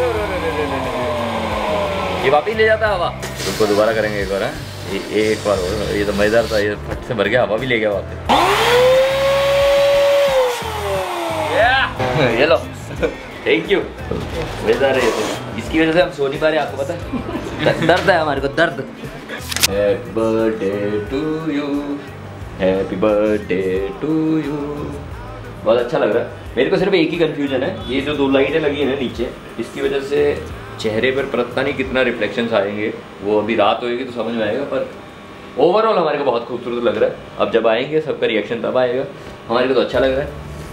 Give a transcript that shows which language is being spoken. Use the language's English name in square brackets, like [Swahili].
[Hindi] ये वापिस ले जाता हवा, उसको दोबारा करेंगे एक बार। एक बार ये तो मजेदार था, ये फट से भर गया, हवा भी ले गया वापस। ये लो थैंक यू, मजेदार है ये तो। इसकी वजह से हम सो नहीं पा रहे आपको पता है। दर्द है हमारे को दर्द। [English] Happy birthday to you, happy birthday to you। [Hindi] बहुत अच्छा लग रहा है। मेरे को सिर्फ एक ही कन्फ्यूजन है, ये जो दो लाइटें लगी हैं ना नीचे, इसकी वजह से चेहरे पर पता नहीं कितना रिफ्लेक्शंस आएंगे, वो अभी रात होएगी तो समझ में आएगा, पर ओवरऑल हमारे को बहुत खूबसूरत लग रहा है। अब जब आएंगे सबका रिएक्शन तब आएगा, हमारे को तो अच्छा लग रहा है।